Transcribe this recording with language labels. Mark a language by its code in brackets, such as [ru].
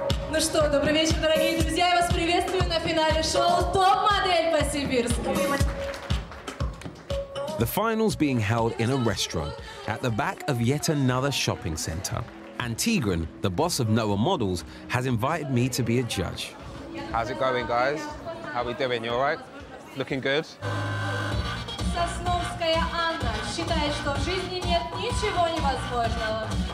[ru] Ну что, добрый вечер, дорогие друзья, я вас приветствую на финале шоу Топ Модель по Сибирски. [en] The final's being held in a restaurant at the back of yet another shopping center. And Tigran, the boss of Noah Models, has invited me to be a judge. How's it going, guys? How are we doing? You all right? Looking good? [ru] Сосновская Анна считает, что в жизни нет ничего невозможного.